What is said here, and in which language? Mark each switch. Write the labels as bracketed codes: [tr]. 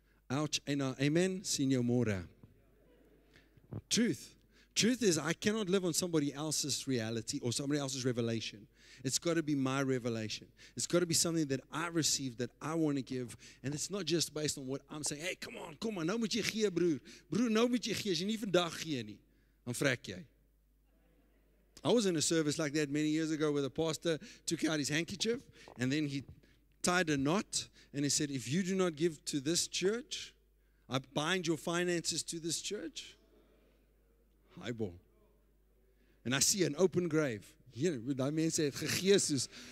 [en] Ouch. Amen, Senor Mora. Truth. Truth is, I cannot live on somebody else's reality or somebody else's revelation. It's got to be my revelation. It's got to be something that I receive that I want to give. And it's not just based on what I'm saying. Hey, come on. [af] Nou moet jy gee, broer. Broer, nou moet jy gee. As jy nie vandag gee nie, dan vrek jy. [en] I was in a service like that many years ago where the pastor took out his handkerchief and then he tied a knot and he said, if you do not give to this church, I bind your finances to this church. Highball. And I see an open grave. Yeah, that man said, Jesus.